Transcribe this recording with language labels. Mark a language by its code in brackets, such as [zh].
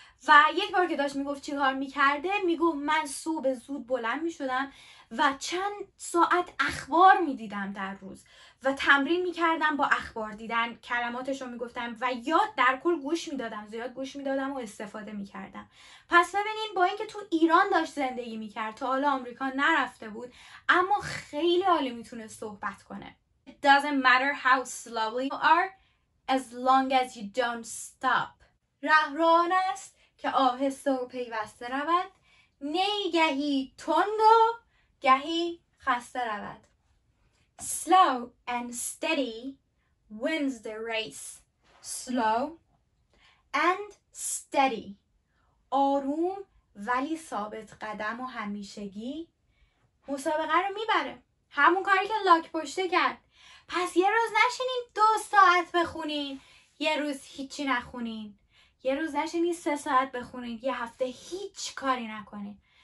[fa] و یک بار که داشت میگفت چیکار میکرده، میگفت من صبح زود بلند میشدم و چند ساعت اخبار میدیدم در روز و تمرین میکردم با اخبار دیدن، کلماتش رو میگفتم و یاد در کل گوش میدادم، زیاد گوش میدادم و استفاده میکردم. پس ببینین با اینکه تو ایران داشت زندگی میکرد، تا حالا آمریکا نرفته بود، اما خیلی عالی میتونه صحبت کنه. [en] It doesn't matter how slowly you are as long as you don't stop. [fa] راهروان است که آهسته و پیوسته رود، نه گهی تند و گهی خسته رود. [en] Slow and steady wins the race. Slow and steady. [fa] آروم ولی ثابت قدم و همیشگی مسابقه رو میبره. همون کاری که لاک پشته کرد. پس یه روز نشینین 2 ساعت بخونین، یه روز هیچی نخونین، یه روز نشینین 3 ساعت بخونین، یه هفته هیچ کاری نکنین.